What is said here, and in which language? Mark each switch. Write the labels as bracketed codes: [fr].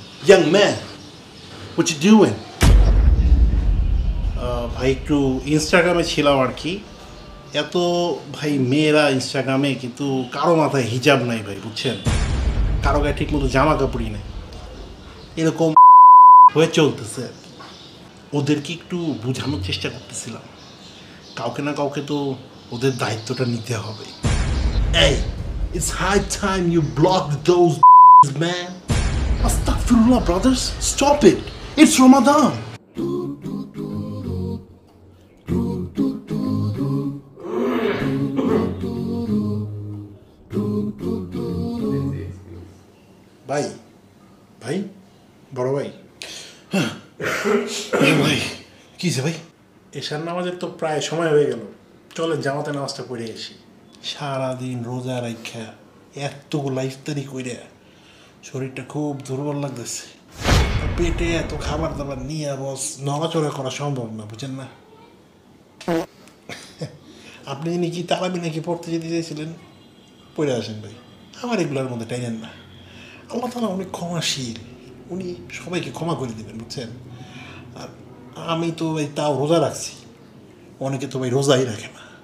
[en] Young man, what you doing? [bn] ভাই একটু ইনস্টাগ্রামে ছিলাম আর কি। এত ভাই মেয়েরা ইনস্টাগ্রামে, কিন্তু কারো মাথায় হিজাব নাই ভাই, বুঝছেন? কারো গায়ে ঠিক মতো জামা কাপড়ই নেই, এরকম হয়ে চলতেছে। ওদেরকে একটু বোঝানোর চেষ্টা করতেছিলাম, কাউকে না কাউকে তো ওদের দায়িত্বটা নিতে হবে। [en] এই it's high time you block those man. Astaghfirullah brothers, stop it, it's Ramadan. [bn] Bhai, bhai, boro bhai, bhai, ki je bhai, eshar namazer to pray shomoy hoye gelo, chole jamate namaz ta pore eshi, sara din roza rakha, etto iftari kore শরীরটা খুব দুর্বল লাগতেছে, পেটে এত খাবার দাবার নিয়ে বস নড়াচড়া করা সম্ভব না, বুঝছেন না? আপনি যিনি কি তারাবি নাকি পড়তে যেতে চাইছিলেন, পড়ে আসেন ভাই, আমার এগুলোর মধ্যে টাইনেন না। আল্লাহ তাআলা অনেক ক্ষমাশীল, উনি সবাইকে ক্ষমা করে দেবেন, বুঝছেন? আর আমি তো ভাই তাও রোজা রাখছি, অনেকে তো ভাই রোজাই রাখে না।